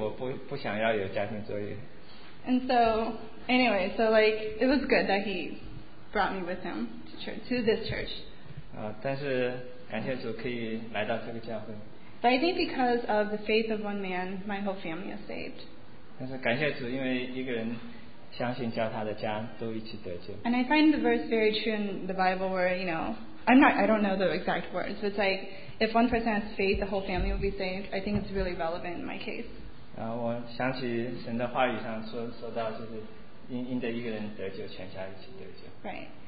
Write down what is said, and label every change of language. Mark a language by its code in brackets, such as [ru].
[zh] 主日学要有家庭作业，所以我不想要有家庭作业。 [en] And so, anyway, so like, it was good that he brought me with him to church, to this church. [zh] 但是感谢主可以来到这个教会。 [en] But I think because of the faith of one man, my whole family is saved. [zh] 但是感谢主，因为一个人。 [en] And I find the verse very true in the Bible where, you know, I don't know the exact words, but it's like, if one person has faith, the whole family will be saved. I think it's really relevant in my case. Right.